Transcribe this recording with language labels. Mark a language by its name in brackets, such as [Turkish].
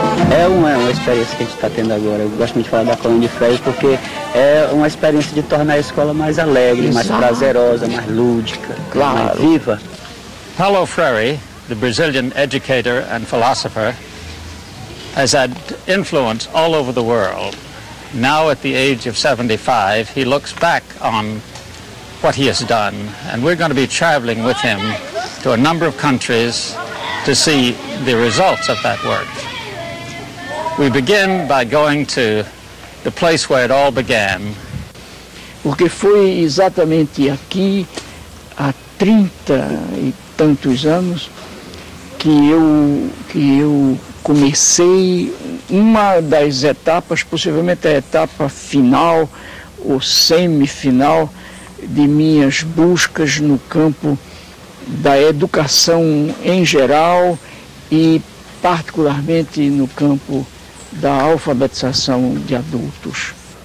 [Portuguese] É uma experiência que a gente está tendo agora. Eu gosto muito de falar da colônia de férias porque é uma experiência de tornar a escola mais alegre, mais prazerosa, mais lúdica, claro. Mais viva. [English] Paulo Freire, the Brazilian educator and philosopher, has had influence all over the world. Now at the age of 75, he looks back on what he has done, and we're going to be traveling with him to a number of countries to see the results of that work. We begin by going to the place where it all began. [Portuguese] Porque foi exatamente aqui, há 30 e tantos anos, que eu comecei uma das etapas, possivelmente a etapa final ou semifinal de minhas buscas no campo da educação em geral e particularmente no campo da alfabetização de adultos.